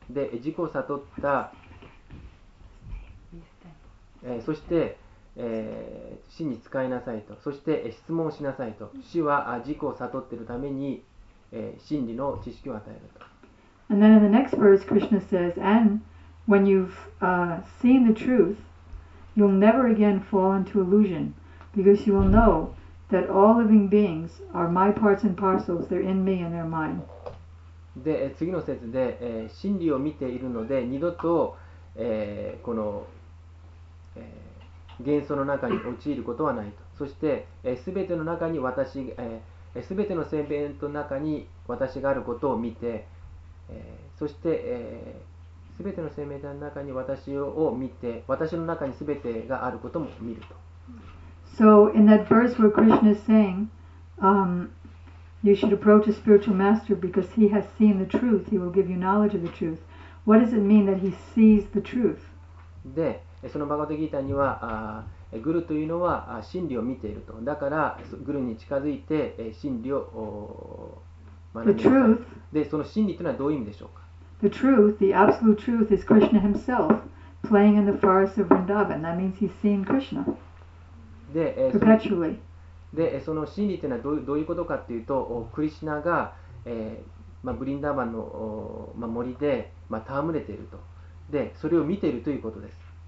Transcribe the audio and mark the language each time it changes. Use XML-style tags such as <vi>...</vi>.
<ja>で、自己を悟った、そして、死に使いなさいと。そして、質問をしなさいと。死は自己を悟っているために、真理の知識を与えると。</ja> <en>And then in the next verse, Krishna says, and when you've seen the truth, you'll never again fall into illusion, because you will know that all living beings are my parts and parcels, they're in me and they're mine.</en> <ja>で、次の節で、真理を見ているので、二度と、この、幻想の中に陥ることはないと。そして、すべての中に私、すべての生命の中に私があることを見て、そして、すべての生命体の中に私を見て、私の中にすべてがあることも見ると。</ja> <en>So in that verse where Krishna is saying, you should approach a spiritual master because he has seen the truth, he will give you knowledge of the truth. What does it mean that he sees the truth?</en> <ja>で、そのバガヴァッド・ギーターには、グルというのは真理を見ていると。だからグルに近づいて真理を。</ja> <en>The truth,</en> <ja>で、その真理というのはどういう意味でしょうか？</ja> <en>The truth, the absolute truth is Krishna himself playing in the forest of Vrindavan. That means he's seen Krishna.</en> <ja>で、</ja> <en>perpetually.</en> <ja>で、その真理というのはどういうことかというと、クリシナが、まあ、ブリンダーバンの、まあ、森で、まあ、戯れていると。で、それを見ているということです。</ja>